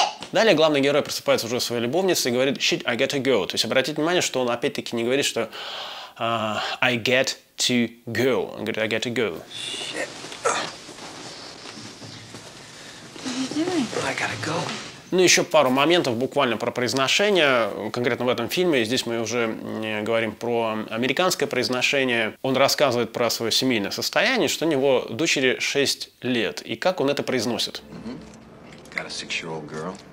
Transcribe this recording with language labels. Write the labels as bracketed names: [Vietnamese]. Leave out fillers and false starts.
[Russian] Далее главный герой просыпается уже своей любовницей и говорит [English] «Shit, I gotta go». [Russian] То есть обратите внимание, что он опять-таки не говорит, что [English] «I get to go». [Russian] Он говорит [English] «I gotta go». Shit. What are you doing? I gotta go. [Russian] Ну, еще пару моментов буквально про произношение. Конкретно в этом фильме, здесь мы уже говорим про американское произношение. Он рассказывает про свое семейное состояние, что у него дочери 6 лет. И как он это произносит? [English] Mm-hmm. Got a 6-year-old girl.